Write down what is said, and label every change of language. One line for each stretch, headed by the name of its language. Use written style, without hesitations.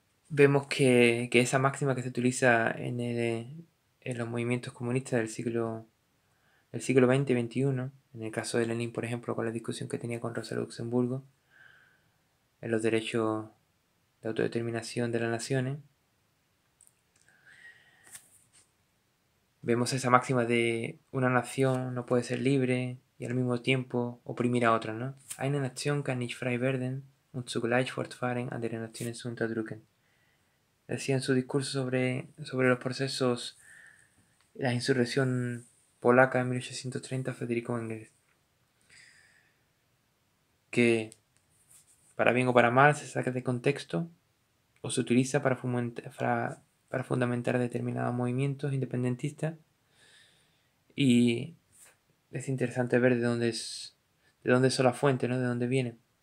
Spanish: vemos que esa máxima que se utiliza en los movimientos comunistas del siglo XX y XXI, en el caso de Lenin, por ejemplo, con la discusión que tenía con Rosa Luxemburgo, en los derechos de autodeterminación de las naciones, vemos esa máxima de una nación no puede ser libre y al mismo tiempo oprimir a otra, ¿no?
German: Eine Nation kann nicht frei werden und zugleich fortfahren andere Nationen zu unterdrücken.
Spanish: Decía en su discurso sobre los procesos, la insurrección polaca en 1830, Federico Engels, que para bien o para mal se saca de contexto o se utiliza para fundamentar determinados movimientos independentistas, y es interesante ver de dónde son las fuentes, ¿no? De dónde vienen.